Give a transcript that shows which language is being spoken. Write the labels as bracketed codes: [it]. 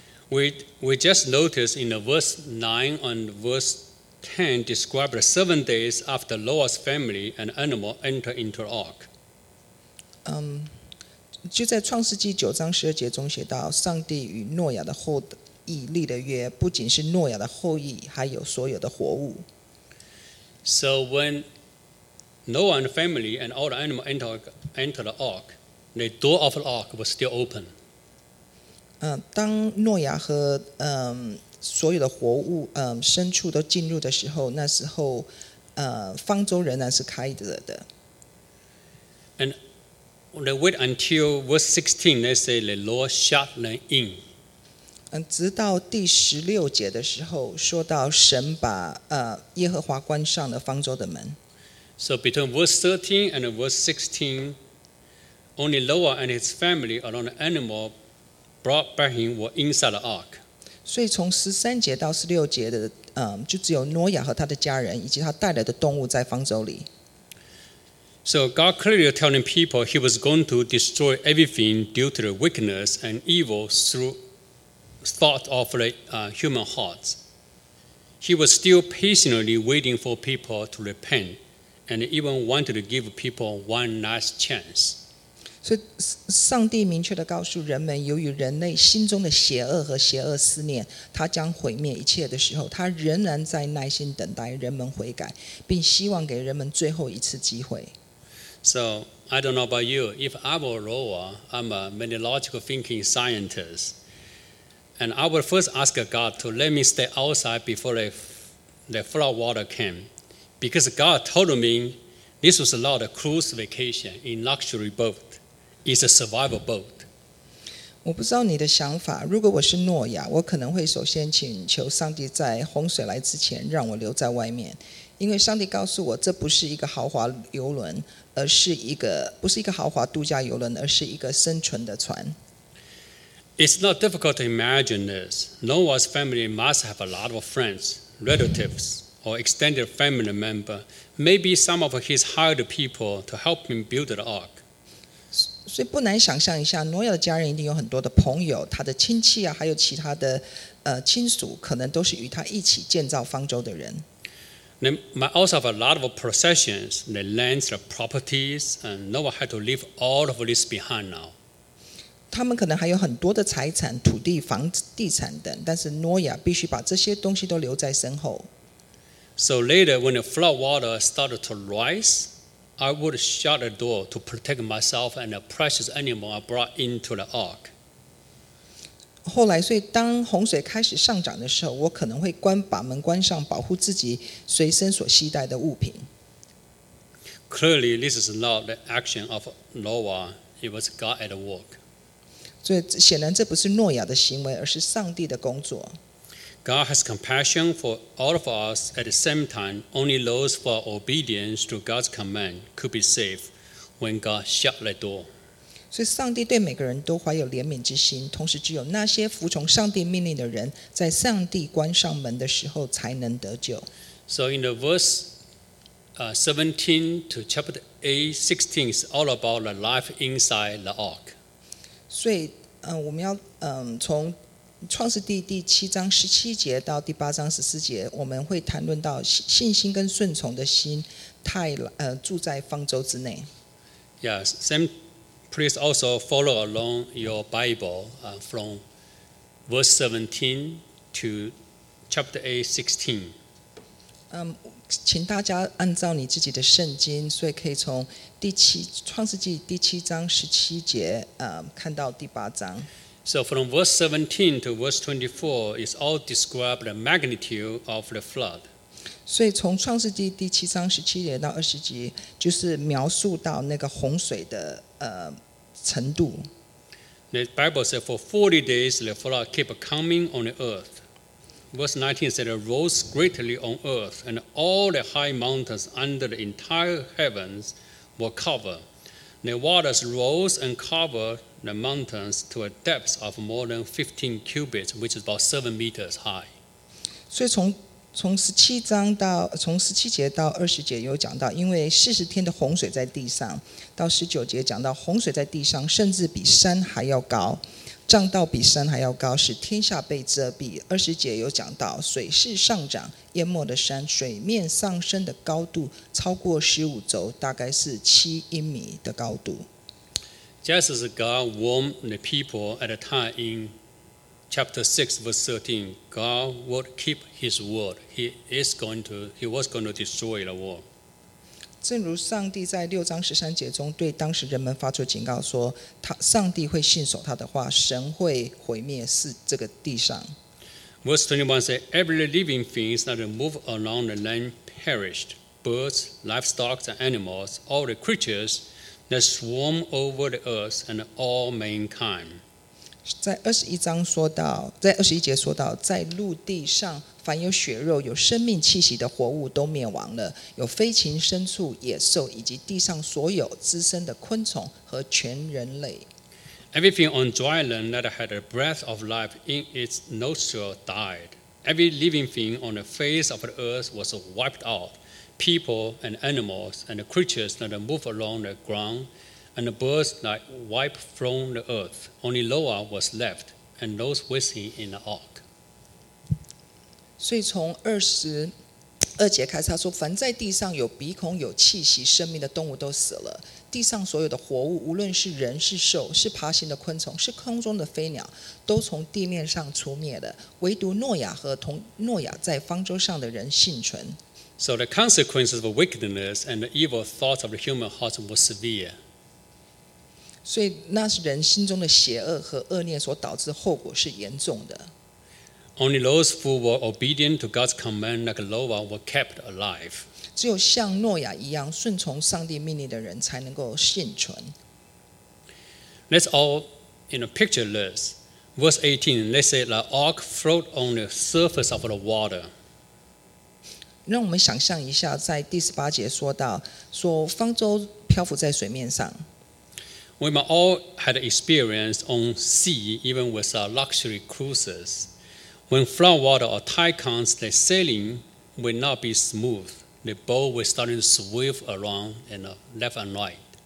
[en] We just noticed in the verse 9 and verse 10 described 7 days after Noah's family and animal enter into the ark. [zh] 就在创世纪九章十二节中写到，上帝与诺亚的后裔立的约，不仅是诺亚的后裔，还有所有的活物。 [en] So whenNoah and the family and all the animals entered the ark. The door of the ark was still open. [zh] 当诺亚和所有的活物牲畜都进入的时候，那时候方舟仍然是开着的。 [en] And they wait until verse 16. They say the Lord shut them in. [zh] 直到第十六节的时候，说到神把耶和华关上了方舟的门。 [en] So between verse 13 and verse 16, only Noah and his family along the animal brought by him were inside the ark. [zh] 所以从十三节到十六节的，就只有诺亚和他的家人以及他带来的动物在方舟里。 [en] So God clearly telling people he was going to destroy everything due to the wickedness and evil through thought of the human hearts. He was still patiently waiting for people to repent. And even wanted to give people one last chance. [zh] So, 上帝明确地告诉人们，由于人类心中的邪恶和邪恶思念，他将毁灭一切的时候，他仍然在耐心等待人们悔改，并希望给人们最后一次机会。 [en] So I don't know about you. If I were Roa, I'm a many logical thinking scientist, and I would first ask God to let me stay outside before the flood water came, because God told me this was not a cruise vacation in luxury boat; it's a survival boat. [zh] 我不知道你的想法，如果我是诺亚，我可能会首先请求上帝在洪水来之前让我留在外面，因为上帝告诉我这不是一个豪华游轮，而是一个不是一个豪华度假游轮，而是一个生存的船。 [en] It's not difficult to imagine this. Noah's family must have a lot of friends, relatives, or extended family member, maybe some of his hired people to help him build the ark. [zh] 所以不难想象一下，挪亚的家人一定有很多的朋友，他的亲戚啊，还有其他的亲属，可能都是与他一起建造方舟的人。 [en] They might also have a lot of possessions, the lands, the properties, and Noah had to leave all of this behind now. [zh] 他们可能还有很多的财产、土地、房地产等，但是挪亚必须把这些东西都留在身后。 [en] So later, when the flood water started to rise. I would shut the door to protect myself and the precious animal I brought into the ark. [zh] 后来，所以当洪水开始上涨的时候，我可能会关把门关上，保护自己随身所携带的物品。 [en] Clearly, this is not the action of Noah; it was God at work. [zh] 所以显然这不是诺亚的行为，而是上帝的工作。 [en] God has compassion for all of us at the same time. Only those who are obedient to God's command could be saved when God shut the door. [zh] 所以上帝对每个人都怀有怜悯之心，同时只有那些服从上帝命令的人，在上帝关上门的时候才能得救。 [en] So in the verse 17 to chapter 8:16 is all about the life inside the ark. [zh] 所以我们要从创世纪第七章十七节到第八章十四节，我们会谈论到信心跟顺从的心，住在方舟之内。 [en] Yes, same. Please also follow along your Bible, from verse 17 to chapter 8:16. [zh] 请大家按照你自己的圣经，所以可以从创世纪第七章十七节，看到第八章。 [en] So from verse 17 to verse 24 is all describe the magnitude of the flood. [zh] 所以从创世纪第七章十七节到二十节，就是描述到那个洪水的程度。 [en] The Bible says for 40 days the flood kept coming on the earth. Verse 19 said it rose greatly on earth, and all the high mountains under the entire heavens were covered. The waters rose and covered. The mountains to a depth of more than 15 cubits, which is about 7 meters high. [zh] 所以从十七节到二十节有讲到，因为四十天的洪水在地上，到十九节讲到洪水在地上甚至比山还要高，涨到比山还要高，使天下被遮蔽。二十节有讲到水势上涨，淹没的山，水面上升的高度超过十五肘，大概是七英米的高度。 [en] Just as God warned the people at the time in chapter 6, verse 13, God would keep his word. He was going to destroy the world. [zh] 正如上帝在六章十三节中对当时人们发出警告说，上帝会信守他的话，神会毁灭这个地上。 [en] Verse 21 says, Every living thing that moved along the land perished. Birds, livestock, and animals, all the creatures,That swarm over the earth and all mankind. [zh] 在二十一章说到，在二十一节说到，在陆地上凡有血肉、有生命气息的活物都灭亡了，有飞禽、牲畜、野兽，以及地上所有滋生的昆虫和全人类。 [en] Everything on dry land that had a breath of life in its nostril died. Every living thing on the face of the earth was wiped out. People and animals and the creatures that move along the ground and the birds that wipe from the earth. Only Noah was left and those with him in the ark. [zh] 所以从二十二节开始，他说：“凡在地上有鼻孔、有气息、生命的动物都死了。地上所有的活物，无论是人是兽，是爬行的昆虫，是空中的飞鸟，都从地面上除灭了。唯独诺亚和同诺亚在方舟上的人幸存。” [en] So the consequences of wickedness and the evil thoughts of the human heart were severe. [zh] 所以那是人心中的邪恶和恶念所导致的后果是严重的。 [en] Only those who were obedient to God's command, like Noah, were kept alive. [zh] 只有像诺亚一样顺从上帝命令的人才能够幸存。 [en] Let's all, you know, picture this. Verse 18, let's say the ark floated on the surface of the water. [zh] 让我们想象一下，在第十八节说到，说方舟漂浮在水面上。 [en] We might all had experience on sea, even with our luxury cruises. When flood water or typhoons, the sailing will not be smooth. The boat will start to swerve around and left and right.